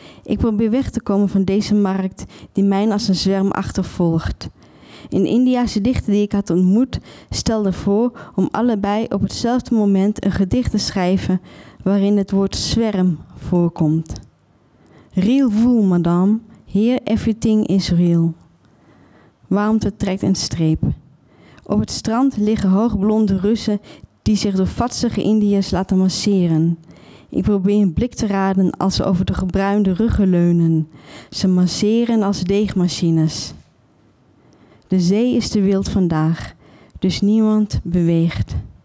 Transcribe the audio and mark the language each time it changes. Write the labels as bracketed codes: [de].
[nl] Ik probeer weg te komen van deze markt die mij als een zwerm achtervolgt. Een Indiase dichter die ik had ontmoet stelde voor om allebei op hetzelfde moment een gedicht te schrijven waarin het woord zwerm voorkomt. [en] Real wool, madame. Here everything is real. [nl] Warmte trekt een streep. Op het strand liggen hoogblonde Russen die zich door vatzige Indiërs laten masseren. Ik probeer een blik te raden als ze over de gebruinde ruggen leunen. Ze masseren als deegmachines. De zee is te wild vandaag, dus niemand beweegt.